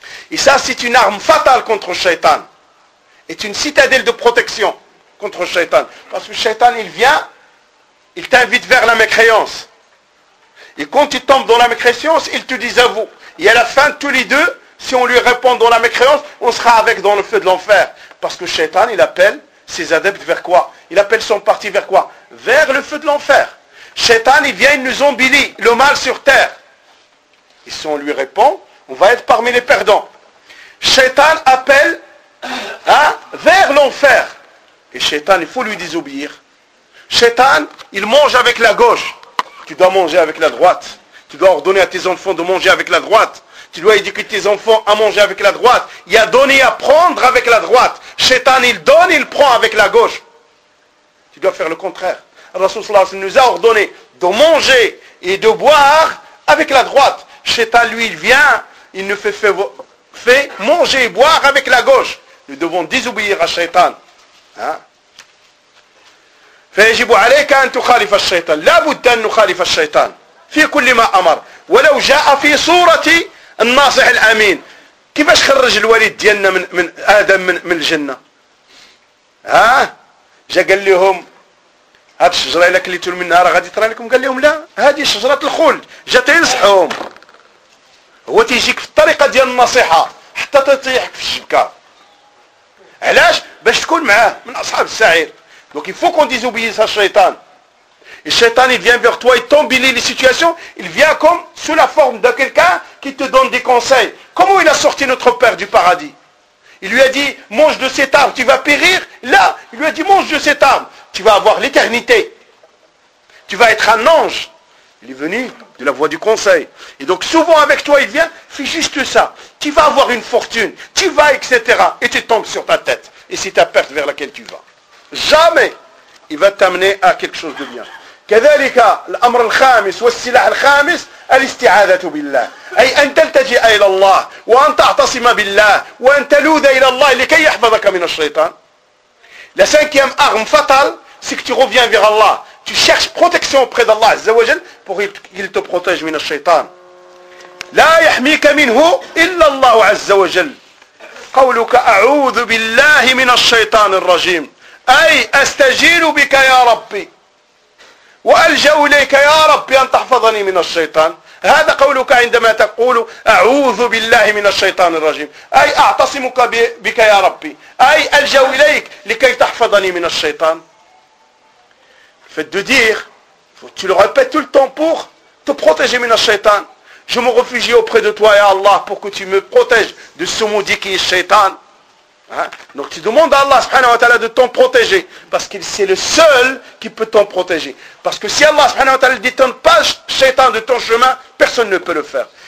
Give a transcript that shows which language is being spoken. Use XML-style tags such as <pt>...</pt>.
<fr>et ça c'est une arme fatale contre le shaitan est une citadelle de protection contre le shaitan parce que le shaitan il vient il t'invite vers la mécréance et quand il tombe dans la mécréance il te désavoue Et à la fin, tous les deux, si on lui répond dans la mécréance, on sera avec dans le feu de l'enfer. Parce que Shaitan, il appelle ses adeptes vers quoi? Il appelle son parti vers quoi? Vers le feu de l'enfer. Shaitan, il vient, il nous embellit le mal sur terre. Et si on lui répond, on va être parmi les perdants. Shaitan appelle hein, vers l'enfer. Et Shaitan, il faut lui désobéir. Shaitan, il mange avec la gauche. Tu dois manger avec la droite. Tu dois ordonner à tes enfants de manger avec la droite. Tu dois éduquer tes enfants à manger avec la droite. Il y a donner à prendre avec la droite. Shaitan, il donne, il prend avec la gauche. Tu dois faire le contraire. Rasoul Salah nous a ordonné de manger et de boire avec la droite. Shaitan, lui, il vient, il nous fait manger et boire avec la gauche. Nous devons désobéir à Shaitan.</fr> <ar>فيجب عليك أن تخالف الشيطان. لا بد أن نخالف الشيطان. في كل ما أمر ولو جاء في صورة الناصح الأمين كيفاش خرج الوالد ديالنا من آدم من الجنة ها جا قال لهم هاد الشجرة إلا كليتو منها راه غادي ترى لكم قال لهم لا هادي شجرة الخلد جات ينصحهم هو تيجيك في الطريقة ديال النصيحة حتى تطيحك في الشبكة علاش باش تكون معاه من أصحاب السعير</ar> <fr>دونك يفو كون ديزوبيس الشيطان Et Shaitan, il vient vers toi, il t'embellit les situations, il vient comme sous la forme de quelqu'un qui te donne des conseils. Comment il a sorti notre père du paradis? Il lui a dit, mange de cet arbre, tu vas périr. Là, il lui a dit, mange de cet arbre, tu vas avoir l'éternité. Tu vas être un ange. Il est venu de la voie du conseil. Et donc souvent avec toi, il vient, fais juste ça. Tu vas avoir une fortune, tu vas, etc. Et tu tombes sur ta tête. Et c'est ta perte vers laquelle tu vas. Jamais il va t'amener à quelque chose de bien.</fr> <ar>كذلك الأمر الخامس والسلاح الخامس الاستعاذة بالله أي أن تلتجئ إلى الله وأن تعتصم بالله وأن تلوذ إلى الله لكي يحفظك من الشيطان</ar> <fr>La cinquième arme fatale c'est que tu reviens vers Allah tu cherches protection auprès d'Allah</fr> <ar>عز وجل</ar> <fr>pour qu'il te protège</fr> <ar>من الشيطان لا يحميك منه إلا الله عز وجل قولك أعوذ بالله من الشيطان الرجيم أي أستجير بك يا ربي وألجأ إليك يا ربي أن تحفظني من الشيطان هذا قولك عندما تقول أعوذ بالله من الشيطان الرجيم أي أعتصمك بك يا ربي أي ألجأ إليك لكي تحفظني من الشيطان</ar> <fr>Faites de dire tu le répètes tout le temps pour te protéger</fr> <ar>mina shaitan.</ar> <fr>Je me réfugie auprès de toi, ya Allah, pour que tu me protèges de ce maudit qui est shaitan. Hein? Donc tu demandes à Allah subhanahu wa ta'ala de t'en protéger. Parce qu'il c'est le seul qui peut t'en protéger. Parce que si Allah subhanahu wa ta'ala ne détourne pas shaitan de ton chemin, personne ne peut le faire.</fr>